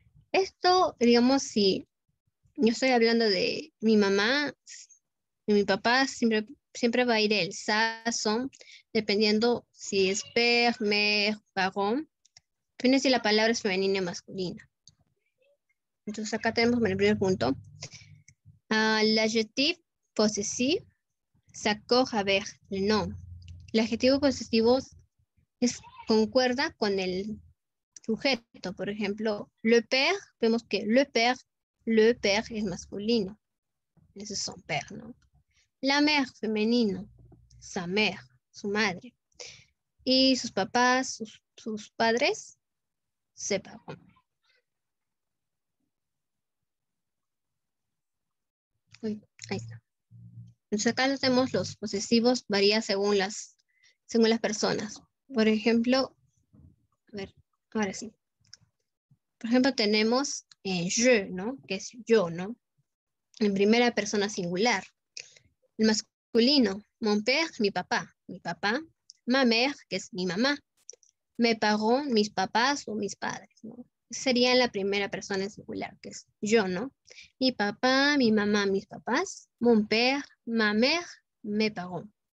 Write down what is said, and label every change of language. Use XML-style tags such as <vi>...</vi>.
<es>Esto, digamos, si yo estoy hablando de mi mamá, de mi papá, siempre, siempre va a ir el sa, son, dependiendo si es père, mère, parón, depende si la palabra es femenina o masculina. Entonces acá tenemos el primer punto.</es> <fr>L'adjectif possessif s'accorde avec le nom.</fr> <es>El adjetivo posesivo es, concuerda con el sujeto. Por ejemplo,</es> <fr>le père,</fr> <es>vemos que le père es masculino. Ese es</es> <fr>son père,</fr> <es>¿no?</es> <fr>La mère,</fr> <es>femenino.</es> <fr>Sa mère,</fr> <es>su madre. Y sus papás, sus padres, se pagó. Ahí está. Entonces acá tenemos los posesivos, varía según las personas. Por ejemplo, a ver, ahora sí. Por ejemplo, tenemos je, ¿no? Que es yo, ¿no? En primera persona singular. El masculino,</es> <fr>mon père,</fr> <es>mi papá,</es> <fr>ma mère,</fr> <es>que es mi mamá,</es> <fr>mes parents,</fr> <es>mis papás o mis padres, ¿no? Sería la primera persona en singular, que es yo, ¿no? Mi papá, mi mamá, mis papás.</es> <fr>Mon père, ma mère, mes parents.</fr>